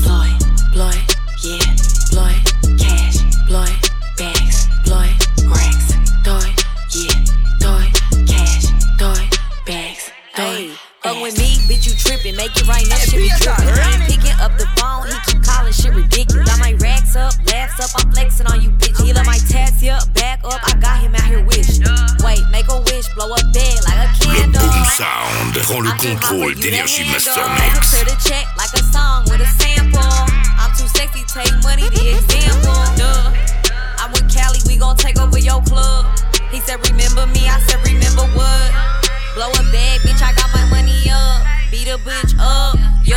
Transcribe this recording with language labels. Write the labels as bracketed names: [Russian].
[English] Blow it, blow it, yeah, blow it, cash, blow it, bags, blow it, racks, throw it, yeah, throw it, cash, throw it, bags, throw it. Fuck with me, bitch, you trippin', make it right, that shit be trippin'. I'm pickin' up the phone, he keep callin', shit ridiculous. Got my racks up, laughs up, I'm flexin' on you, bitch. He let my tats up, back up, I got him out here wishin'. Wait, make a wish, blow up bed like a candle. [French] Le Boom Sound, prends le contrôle d'Energy Master Mix. [English] I can clear the check like a song with a sample. I'm too sexy, take money, the example, duh. I'm with Cali, we gon' take over your club. He said, remember me, I said, remember what? Blow a bag, bitch, I got my money up. Beat a bitch up, yo.